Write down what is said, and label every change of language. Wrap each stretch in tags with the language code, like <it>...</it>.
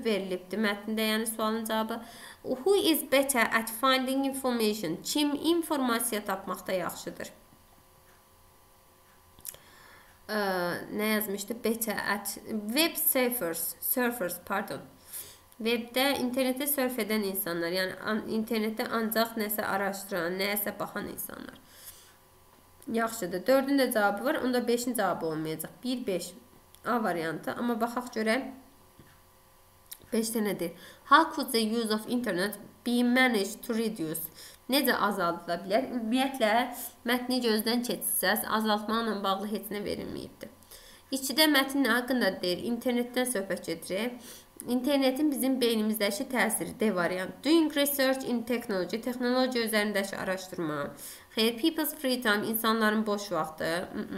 <az>Verilibdir mətnində, yəni sualın cavabı.</az> <en>Who is better at finding information?</en> <az>Kim informasiya tapmaqda yaxşıdır? Nə yazmışdı?</az> <en>Better at web surfers, pardon.</en> <az>Webdə, internetdə surf edən insanlar, yəni internetdə ancaq nəsə araşdıran, nəyəsə baxan insanlar. Yaxşıdır. Dördün də cavabı var, onda beşin cavabı olmayacaq. 1-5 A variantı, amma baxaq görək. 5-də nədir?</az> <en>How could the use of internet be managed to reduce?</en> <az>Necə azaldıla bilər? Ümumiyyətlə, mətni gözdən keçirsəz, azaltmaqla bağlı heç nə verilməyibdir. İçidə mətnin haqqında deyir, internetdən söhbət gedirik. İnternetin bizim beynimizdəki təsiri, D variant.</az> <en>Doing research in technology,</en> <az>texnologiya üzərindəki araşdırma. Xeyr,</az> <en>people's free time,</en> <az>insanların boş vaxtı.</az>